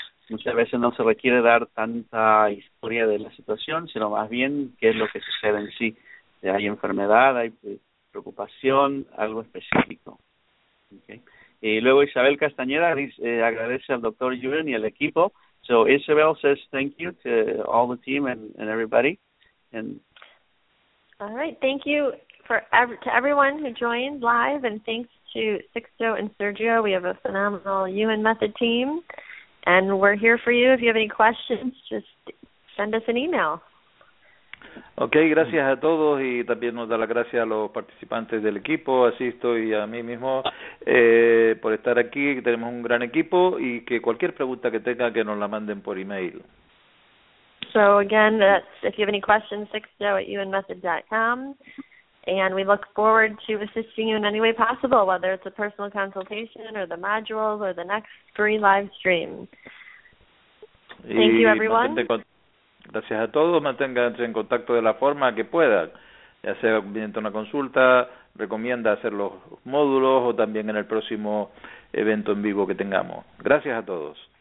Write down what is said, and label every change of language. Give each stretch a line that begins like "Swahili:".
Spanish: Muchas veces no se requiere dar tanta historia de la situación, sino más bien qué es lo que sucede en sí. Hay enfermedad, hay preocupación, algo específico. Okay. Y luego Isabel Castañeda agradece al doctor Yuen y al equipo.
English: So Isabel says thank you to all the team and everybody. And all right, thank you to everyone who joined live, and thanks to Sixto and Sergio. We have a phenomenal UN Method team, and we're here for you. If you have any questions, just send us an email.
Spanish: Okay, gracias a todos, y también nos da las gracias a los participantes del equipo, a Sixto y a mí mismo, por estar aquí. Tenemos un gran equipo, y que cualquier pregunta que tenga, que nos la manden por email.
English: So again, that's, if you have any questions, sixto@unmethod.com, and we look forward to assisting you in any way possible, whether it's a personal consultation or the modules or the next free live stream. Thank you, everyone.
Spanish: Gracias a todos. Manténganse en contacto de la forma que puedan, ya sea mediante una consulta, recomienda hacer los módulos o también en el próximo evento en vivo que tengamos. Gracias a todos.